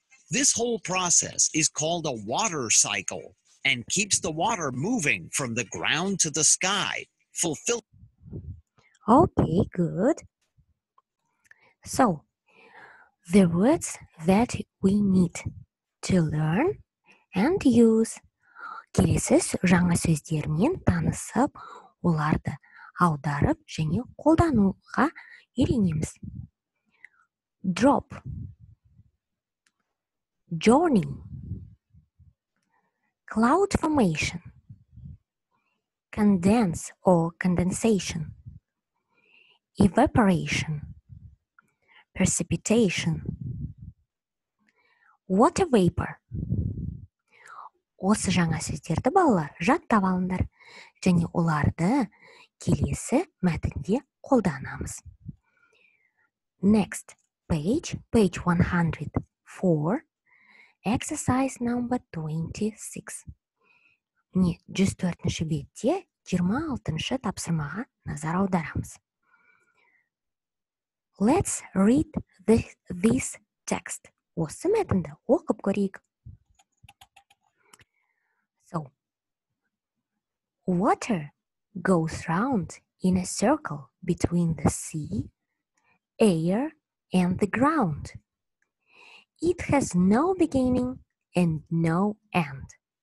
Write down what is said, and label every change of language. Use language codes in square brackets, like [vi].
[en] This whole process is called a water cycle, and keeps the water moving from the ground to the sky, fulfilling. Okay, good. So, the words that we need to learn and use [kk] Келесі жаңа сөздермен танысып, оларды аударып және қолдануға үйренеміз. [en] Drop. Journey. Cloud formation. Condense or condensation. Evaporation. Precipitation. Water vapor. [kk] Осы жаңа сөздерді балалар жаттап алыңдар және оларды келесі мәтінде қолданамыз. [en] Next page, page 104, exercise number 26. [kk] Не, 104-ші бетте 26-ші тапсырмаға назар аударамыз. [en] Let's read this text. [kk] Осы мәтінді оқып көрейік. [en] So, water goes round in a circle between the sea, air, and the ground. It has no beginning and no end.